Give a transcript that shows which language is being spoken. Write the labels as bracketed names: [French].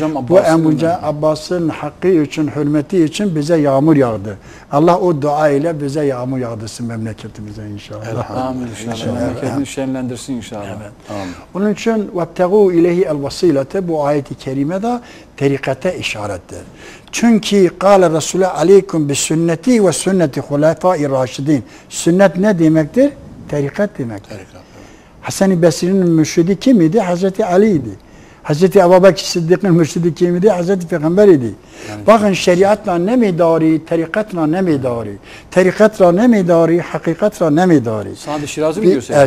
[Turkish] Bu amca Abbas'ın hakkı için, hürmeti için bize yağmur yağdı. Allah o dua ile bize yağmur yağdırsın memleketimize inşallah. Elhamdülillah. Memleketini şenlendirsin inşallah. Onun için [Arabic] vettegû ileyhi el vesîlete [Turkish] bu ayeti kerime de tarikata işarettir. [Arabic] Çünkü قال الرسول عليكم بسنتي وسنة خلفاء الراشدين. [Turkish] Sünnet ne demektir? Tarikat demektir. Hasan-ı Basri'nin mürşidi kim idi? Hazreti Ali idi. Hazreti Ebubekir Sıddık'ın mürşidi kim idi? Hazreti Peygamber idi. Yani bakın şeriatla ne midari, tarikatla ne midari. Tarikatla ne midari, hakikatla ne midari. Sadi Şirazi mi diyorsun?